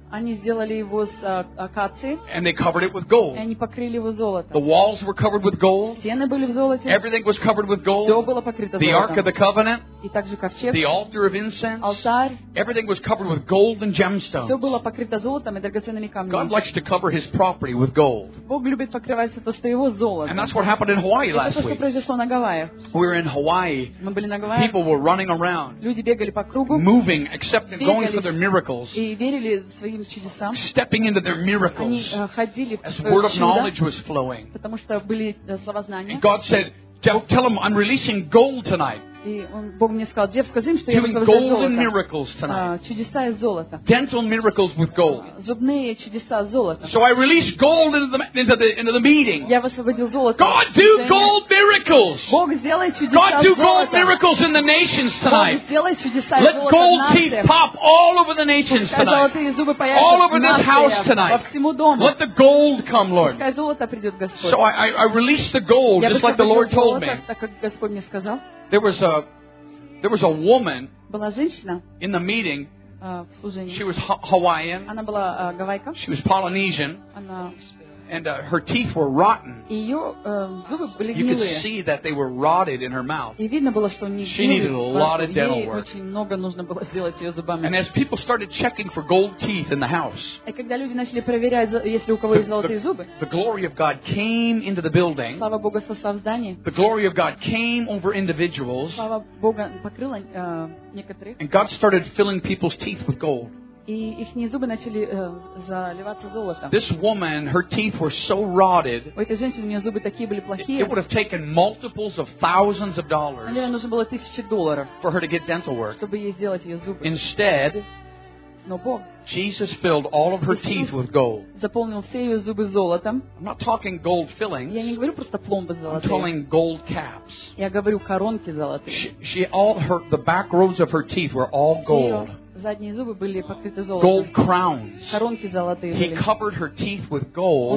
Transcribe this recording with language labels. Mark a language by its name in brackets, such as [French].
[Russian] Они сделали его с акации. [English] And they covered it with gold. [Russian] И они покрыли его золотом. [English] The walls were covered with gold. [Russian] Стены были в золоте. [English] Everything was covered with gold. [Russian] Все было покрыто золотом. [English] The Ark of the Covenant. [Russian] И также ковчег. [English] The altar of incense. [Russian] Алтарь. [English] Everything was covered with gold and gemstones. [Russian] Все было покрыто золотом и драгоценными камнями. [English] God likes to cover His property with gold. [Russian] Бог любит покрывать все то, что Его золото. [English] And that's what happened in Hawaii last week. [Russian] Это то, что произошло на Гавайях. [English] We were in Hawaii. [Russian] Мы были на Гавайях. [English] People were running around. [Russian] Люди бегали по кругу. [English] Moving, accepting, going for their miracles. [Russian] И верили своим чудесам. [English] Stepping into their miracles. [Russian] Они ходили в свое чудо. [English] As word of knowledge was flowing. [Russian] Потому что были слова знания. [English] And God said, "Tell them I'm releasing gold tonight." [Russian] И он, Бог мне сказал, Джефф, скажи им, что [English] doing [Russian] я выкладываю [English] golden [Russian] золото. [English] Miracles tonight. [Russian] Чудеса из золота. [English] Dental miracles with gold. [Russian] Зубные чудеса из золота. [English] So I released gold into the meeting. [Russian] Я высвободил золото. [English] God do gold miracles. [Russian] Бог сделает чудеса. [English] God do gold miracles in the nations tonight. [Russian] Бог сделает чудеса. [English] Let gold teeth pop all over the nations tonight. All over this house tonight. Let the gold come, Lord. [Russian] Золото придет, Господь. [English] So I released the gold just like the Lord told me. [Russian] Как Господь мне сказал. [English] There was a woman [Russian] была женщина, [English] in the meeting. [Russian] Служении. [English] She was Hawaiian. [Russian] Она была гавайка. [English] She was Polynesian. [Russian] Она... [English] And her teeth were rotten. [Russian] Ее зубы были гнилые. [English] You could see that they were rotted in her mouth. [Russian] И видно было, что у нее [English] she needed a lot of dental work. [Russian] Очень много нужно было сделать ее зубами. [English] And as people started checking for gold teeth in the house, [Russian] и когда люди начали проверять, есть ли у кого есть золотые зубы, [English] the glory of God came into the building. [Russian] Слава Богу сошла в здание. [English] The glory of God came over individuals. [Russian] Слава Богу покрыла некоторых. [English] And God started filling people's teeth with gold. [Russian] И их зубы начали заливаться золотом. [English] This woman, her teeth were so rotted. [Russian] У этой женщины у нее зубы такие были плохие. [English] It would have taken multiples of thousands of dollars. [Russian] Мне нужно было тысячи долларов. [English] For her to get dental work. [Russian] Чтобы ей сделать ее зубы. [English] Instead, [Russian] но Бог. [English] Jesus filled all of her teeth with gold. [Russian] Заполнил все ее зубы золотом. [English] I'm not talking gold fillings. [Russian] Я не говорю просто пломбы золотые. [English] I'm talking gold caps. [Russian] Я говорю коронки золотые. [English] She all her the back rows of her teeth were all gold. [Russian] Задние зубы были покрыты золотом. [English] Gold crowns. [Russian] Коронки золотые были. [English] He covered her teeth with gold.